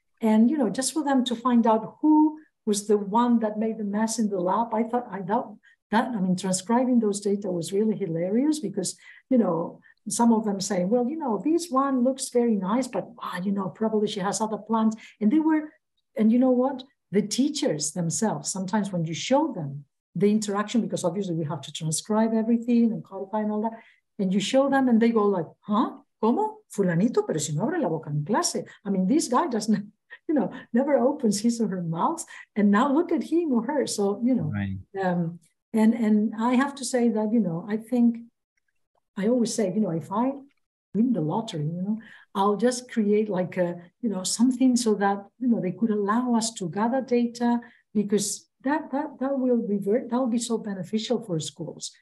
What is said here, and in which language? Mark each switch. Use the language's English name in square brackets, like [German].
[English] And, you know, just for them to find out who was the one that made the mess in the lab, I thought transcribing those data was really hilarious because, you know, some of them say, well, you know, this one looks very nice, but, you know, probably she has other plans. And they were, and you know what? The teachers themselves, sometimes when you show them the interaction, because obviously we have to transcribe everything and codify and all that, and you show them and they go like, huh? [Spanish] ¿Cómo? Fulanito, pero si no abre la boca en clase. [English] I mean, this guy doesn't, you know, never opens his or her mouth, and now look at him or her. So, you know, right. And I have to say that, you know, I think, I always say, you know, if I win the lottery, you know, I'll just create like a, you know, something so that, you know, they could allow us to gather data, because that will revert, that will be so beneficial for schools.